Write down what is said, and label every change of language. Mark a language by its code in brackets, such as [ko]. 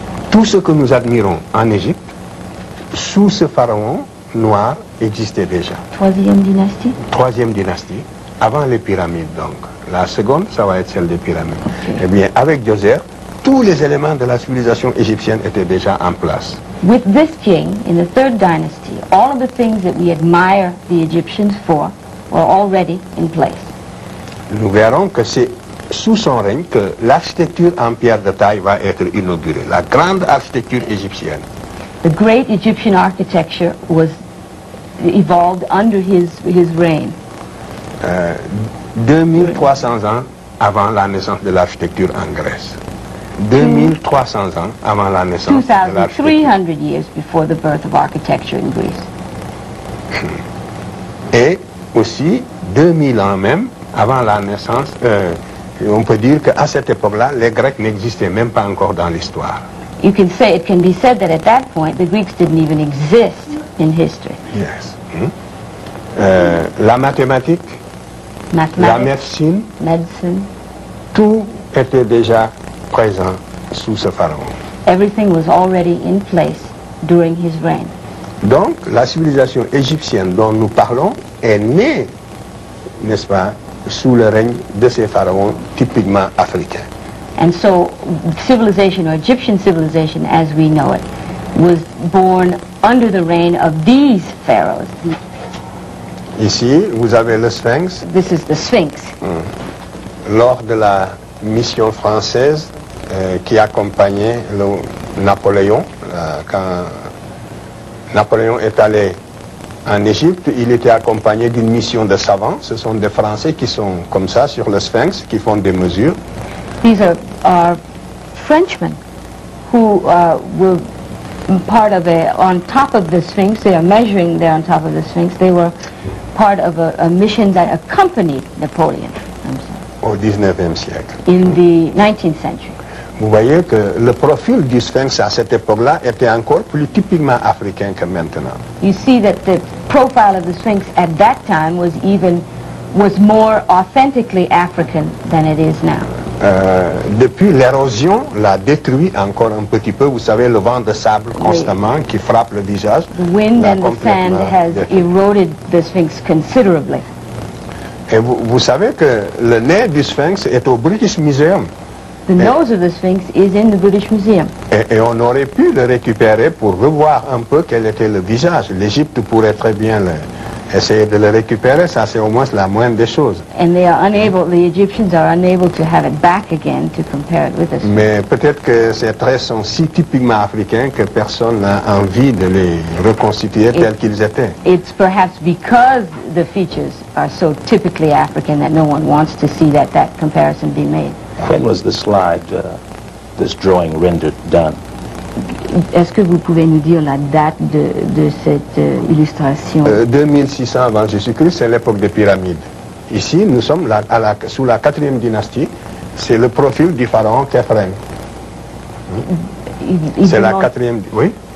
[fr] Tout ce que nous admirons en Égypte, sous ce pharaon noir, existait déjà. Troisième dynastie, avant les pyramides donc. La seconde, ça va être celle des pyramides. [en] Okay. [fr] Eh bien, avec Djoser, tous les éléments de la civilisation égyptienne étaient déjà en place. [en] With this king, in the third dynasty, all of the things that we admire the Egyptians for were already in place. [fr] Nous verrons que c'est sous son règne que l'architecture en pierre de taille va être inaugurée, la grande architecture égyptienne. [en] The great Egyptian architecture was evolved under his reign. [fr] 2300 ans avant la naissance de l'architecture en Grèce. 2300 ans avant la naissance de l'architecture. [en] 2300 years before the birth of architecture in Greece. [fr] Et aussi 2000 ans même avant la naissance, on peut dire qu'à cette époque-là, les Grecs n'existaient même pas encore dans l'histoire. [en] You can say, it can be said that at that point, the Greeks didn't even exist in history. Yes. [fr] La mathématique, la médecine, tout était déjà présent sous ce pharaon. [en] Everything was already in place during his reign. [fr] Donc, la civilisation égyptienne dont nous parlons est née, n'est-ce pas, sous le règne de ces pharaons typiquement africains. [en] And so, civilization, or Egyptian civilization as we know it, was born under the reign of these pharaohs. [fr] Ici, vous avez le Sphinx. [en] This is the Sphinx. [fr] Lors de la mission française qui accompagnait le Napoléon, quand Napoléon est allé en Égypte, il était accompagné d'une mission de savants. Ce sont des Français qui sont comme ça sur le Sphinx, qui font des mesures. [en] These are Frenchmen who were part of a, on top of the Sphinx, they are measuring there on top of the Sphinx, they were part of a mission that accompanied Napoleon. [fr] Au 19e siècle. [en] In the 19th century. [fr] Vous voyez que le profil du Sphinx à cette époque-là était encore plus typiquement africain que maintenant. [en] You see that the profile of the Sphinx at that time was even was more authentically African than it is now. [fr] Depuis, l'érosion l'a détruit encore un petit peu. Vous savez, le vent de sable constamment qui frappe le visage. [en] The wind and the sand has eroded the Sphinx considerably. [fr] Et vous savez que le nez du Sphinx est au British Museum. [en] The nose of the Sphinx is in the British Museum. [fr] Et on aurait pu le récupérer pour revoir un peu quel était le visage. L'Égypte pourrait très bien essayer de le récupérer, ça c'est au moins la moindre des choses. [en] And they are unable, the Egyptians are unable to have it back again to compare it with the Sphinx. [fr] Mais peut-être que ces traits sont si typiquement africains que personne n'a envie de les reconstituer tels qu'ils étaient. [en] It's perhaps because the features are so typically African that no one wants to see that comparison be made. When was the slide, this drawing rendered, done? [fr] Est-ce que vous pouvez nous dire la date de cette illustration? 2600 avant Jésus-Christ, c'est l'époque des pyramides. Ici, nous sommes sous la 4e dynastie, c'est le profil du pharaon Khéphren. C'est la 4e, oui?